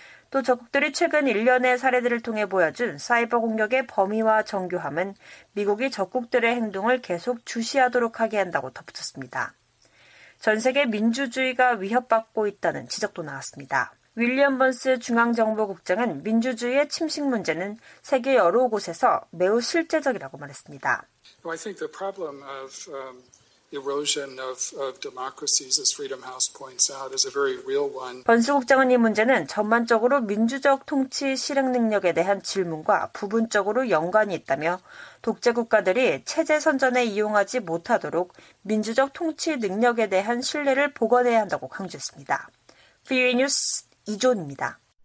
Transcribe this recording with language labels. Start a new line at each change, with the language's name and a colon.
Korean: 또 적국들이 최근 1년의 사례들을 통해 보여준 사이버 공격의 범위와 정교함은 미국이 적국들의 행동을 계속 주시하도록 하게 한다고 덧붙였습니다. 전 세계 민주주의가 위협받고 있다는 지적도 나왔습니다. 윌리엄 번스 중앙정보국장은 민주주의의 침식 문제는 세계 여러 곳에서 매우 실제적이라고 말했습니다.
English: I think the problem of erosion of democracies, as Freedom House points out, is a very real one.
Korean: 번스 국장은 이 문제는 전반적으로 민주적 통치 실행 능력에 대한 질문과 부분적으로 연관이 있다며 독재 국가들이 체제 선전에 이용하지 못하도록 민주적 통치 능력에 대한 신뢰를 복원해야 한다고 강조했습니다. VOA 뉴스 이존입니다.